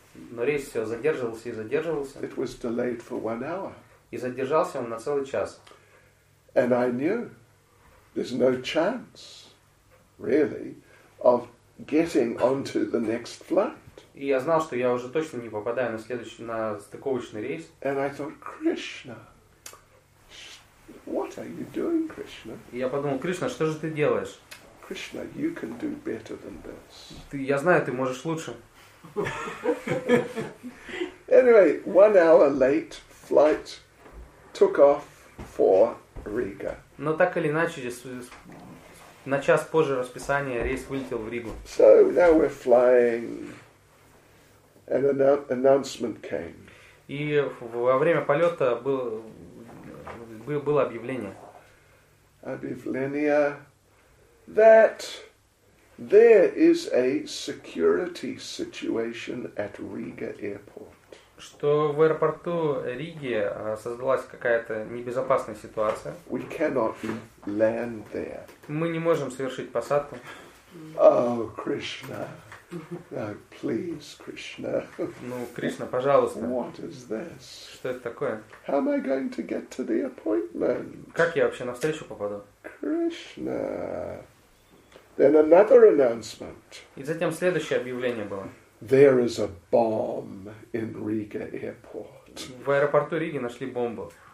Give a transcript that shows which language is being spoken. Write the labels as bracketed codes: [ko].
[ru] Но рейс все задерживался и задерживался. [en] It was delayed for 1 hour. [ru] И задержался он на целый час. [en] And I knew. There's no chance, really, of getting onto the next flight. [ru] И я знал, что я уже точно не попадаю на следующий, на стыковочный рейс. [en] And I thought, Krishna, what are you doing, Krishna? [ru] И я подумал, Кришна, что же ты делаешь? [en] Krishna, you can do better than this. [ru] Ты, я знаю, ты можешь лучше. [en] Anyway, 1 hour late flight took off for Riga. [ru] Но так или иначе, на час позже расписания рейс вылетел в Ригу. [en] So now we're flying. An announcement came. [ru] И во время полета было объявление. Объявление, [en] that there is a security situation at Riga Airport. [ru] Что в аэропорту Риги создалась какая-то небезопасная ситуация. [en] We cannot land there. [ru] Мы не можем совершить посадку. [en] Oh, Krishna. Oh, please, Krishna. [ru] Ну, Кришна, пожалуйста. [en] What is this? [ru] Что это такое? [en] How am I going to get to the appointment? [ru] Как я вообще на встречу попаду? [en] Krishna. Then another announcement. [ru] И затем следующее объявление было. [en] There is a bomb in Riga Airport. [ru] В аэропорту Риги нашли бомбу.